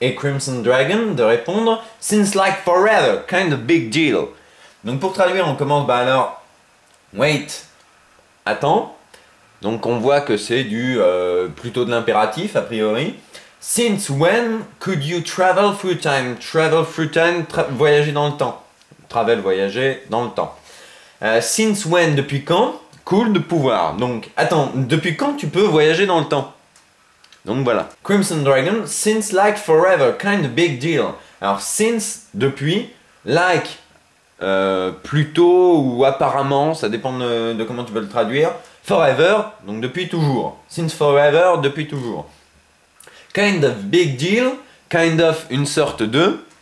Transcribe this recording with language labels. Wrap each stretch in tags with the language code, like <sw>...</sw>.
<fr>et Crimson Dragon de répondre «</fr> <en>Since like forever, kind of big deal.</en> <fr>» Donc pour traduire, on commence bah alors « Wait, attends. » Donc on voit que c'est du plutôt de l'impératif a priori. «</fr> <en>Since when could you travel through time ?»« Travel through time,</en> <fr>voyager dans le temps. »« Travel, voyager dans le temps. » »«</fr> <en>Since when,</en> <fr>depuis quand ?» Cool de pouvoir. Donc, attends, depuis quand tu peux voyager dans le temps? Donc voilà.</fr> <en>Crimson Dragon, since like forever, kind of big deal.</en> <fr>Alors, since, depuis, like, plutôt ou apparemment, ça dépend de comment tu veux le traduire.</fr> <en>Forever,</en> <fr>donc depuis toujours.</fr> <en>Since forever,</en> <fr>depuis toujours.</fr> <en>Kind of big deal, kind of</en> <fr>une sorte de.</fr>